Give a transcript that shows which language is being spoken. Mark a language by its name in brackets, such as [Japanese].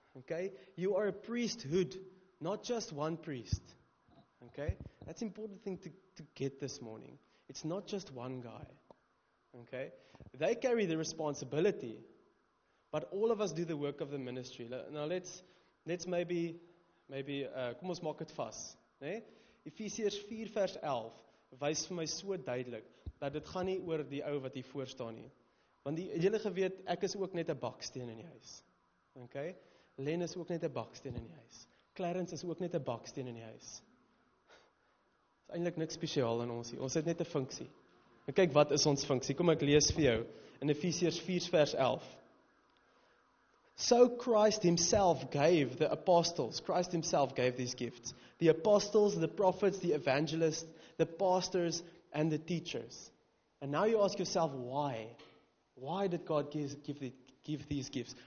[English] Okay, you are a priesthood, not just one priest. Okay, that's important thing to get this morning. It's not just one guy. Okay? They carry the responsibility, but all of us do the work of the ministry. Now let's [Afrikaans] kom ons maak dit vas, né? Efesiërs 4 vers 11 wys vir my so duidelik dat dit gaan nie oor die ou wat hier voor staan nie. Want die hele geweet, ek is ook net 'n baksteen in die huis. Okay? Len is ook net 'n baksteen in die huis. Clarence is ook net 'n baksteen in die huis. Eindelijk niks spesiaal in ons hier. Ons het net 'n funksie. En kyk, wat is ons funksie? Kom, ek lees vir jou in Efesiërs 4 vers 11. [English] So Christ himself gave the apostles, Christ himself gave these gifts. The apostles, the prophets, the evangelists, the pastors, and the teachers. And now you ask yourself, why? Why did God give these gifts?